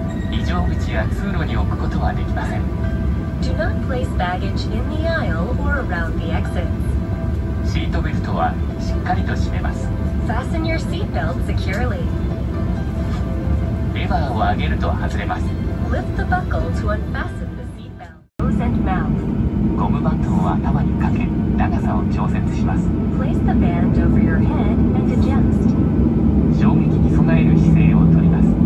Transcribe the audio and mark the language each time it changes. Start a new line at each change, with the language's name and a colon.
Japanese: 非常口や通路に置くことはできません。
English: Do not place baggage in the aisle or around the exits.
Japanese: シートベルトはしっかりと締めます。
English: Fasten your seat belt securely.
Japanese: レバーを上げると外れます。
English: Lift the buckle to unfasten the seat belt. Nose and mouth.
Japanese: ゴムバンドを頭にかけ、長さを調節します。
English: Place the band over your head and adjust.
Japanese: 衝撃に備える姿勢をとります。